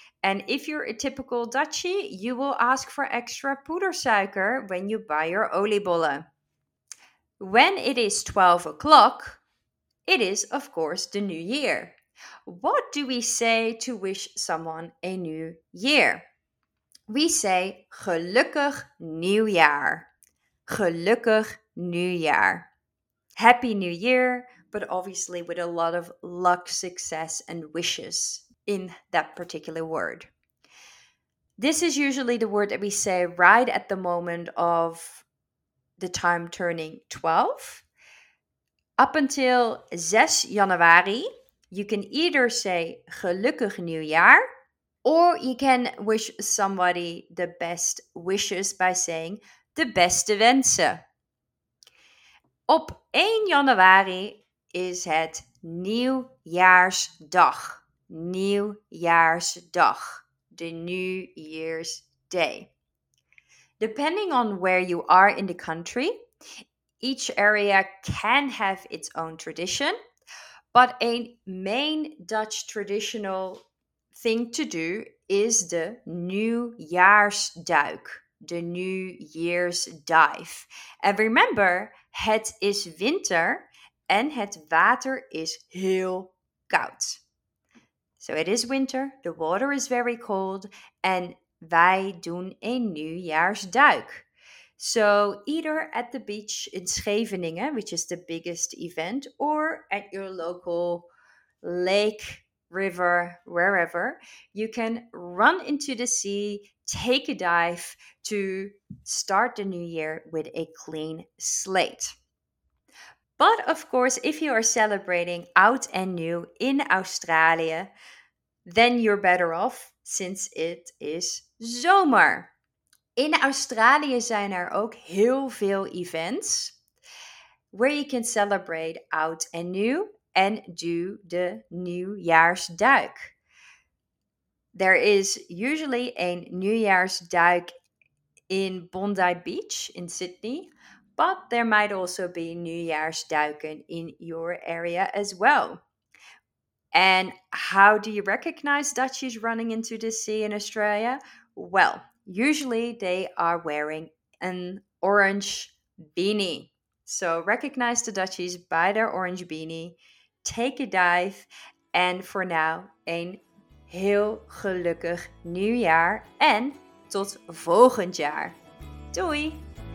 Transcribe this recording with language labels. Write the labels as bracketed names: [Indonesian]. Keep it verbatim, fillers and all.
[English] And if you're a typical Dutchie, you will ask for extra poedersuiker when you buy your oliebollen. When it is twelve o'clock, it is, of course, the new year. What do we say to wish someone a new year? We say gelukkig nieuwjaar. [Dutch] Gelukkig nieuwjaar. [English] Happy New Year, but obviously with a lot of luck, success, and wishes in that particular word. This is usually the word that we say right at the moment of the time turning twelve. Up until [Dutch] zes januari, [English] you can either say gelukkig nieuwjaar Or you can wish somebody the best wishes bij saying [Dutch] de beste wensen. Op één januari is het Nieuwjaarsdag. [English] Nieuwjaarsdag. The New Year's Day. Depending on where you are in the country, each area can have its own tradition, but a main Dutch traditional thing to do is the Nieuwjaarsduik, the New Year's dive. And remember, [Dutch] het is winter en het water is heel koud. [English] So it is winter, the water is very cold, and [Dutch] wij doen een nieuwjaarsduik. [English] So either at the beach in Scheveningen, which is the biggest event, or at your local lake, river, wherever, you can run into the sea, take a dive to start the new year with a clean slate. But of course, if you are celebrating oud and new in Australia, then you're better off since it is zomer. [Dutch] In Australië zijn er ook heel veel [English] events where you can celebrate oud and new and do the nieuwjaarsduik. There is usually a nieuwjaarsduik in Bondi Beach in Sydney, but there might also be nieuwjaarsduiken in your area as well. And how do you recognize Dutchies running into the sea in Australia? Well, usually they are wearing an orange beanie. So recognize the Dutchies by their orange beanie, take a dive, and for now, [Dutch] een heel gelukkig nieuwjaar en tot volgend jaar. Doei!